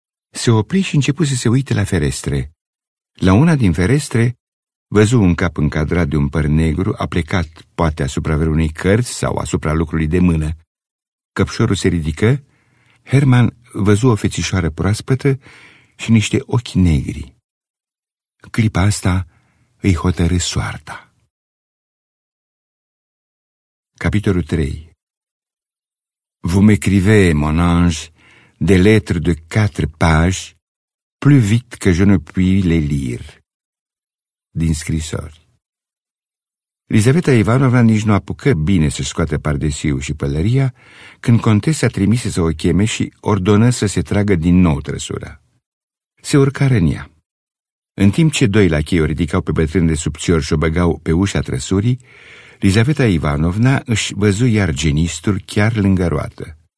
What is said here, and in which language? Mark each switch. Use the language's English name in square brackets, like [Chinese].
[Romanian] Se opri și începu să se uite la ferestre. La una din ferestre, văzu un cap încadrat de un păr negru, aplecat poate asupra vreunei cărți sau asupra lucrului de mână. Căpșorul se ridică, Herman văzu o fețișoară proaspătă și niște ochi negri. Clipa asta îi hotărâ soarta. Capitolul 3. [French] Vous m'écrivez, mon ange, des lettres de 4 pages, plus vite que je ne puis les lire. [Romanian] Din scrisori. Lizaveta Ivanovna nici nu apucă bine să scoate pardesiu și pălăria când contesa trimise să o cheme și ordonă să se tragă din nou trăsura. Se urcară în ea. În timp ce doi lachei o ridicau pe bătrân de sub țior și o băgau pe ușa trăsurii, Lizaveta Ivanovna își văzu iar genistul chiar lângă roată.